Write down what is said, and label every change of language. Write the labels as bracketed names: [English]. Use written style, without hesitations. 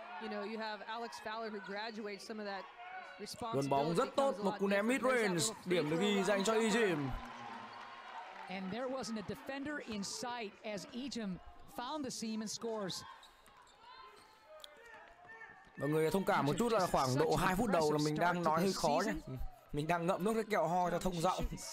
[English] You know, you have Alex Fowler who graduates some of that responsibility. [Vietnamese] Gần bóng rất tốt, một cú ném mid range, điểm được ghi dành cho Ejim. [English] And there wasn't a defender in sight as Ejim found the seam and scores. [Vietnamese] Mọi người thông cảm một chút là khoảng độ 2 phút đầu là mình đang nói hơi khó nhé. Mình đang ngậm nước cái kẹo ho cho thông giọng.